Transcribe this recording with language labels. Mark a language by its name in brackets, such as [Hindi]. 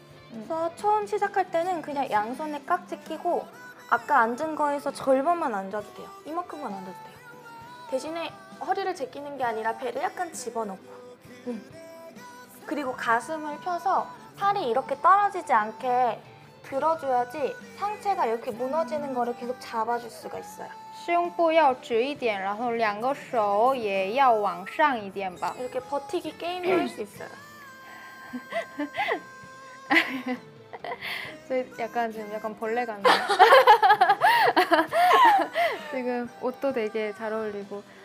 [Korean] 그래서 처음 시작할 때는 그냥 양손에 깍지 끼고 아까 앉은 거에서 절반만 앉아도 돼요. 이만큼만 앉아도 돼요. 대신에 허리를 제끼는 게 아니라 배를 약간 집어넣고 그리고 가슴을 펴서 팔이 이렇게 떨어지지 않게 들어줘야지 상체가 이렇게 무너지는 거를 계속 잡아줄 수가 있어요. [Chinese] 胸部要直一点，然后两个手也要往上一点吧。 [Korean] 이렇게 버티기 게임을 할 수 있어요. 그래서 약간 지금 약간 벌레 같네요. 지금 옷도 되게 잘 어울리고.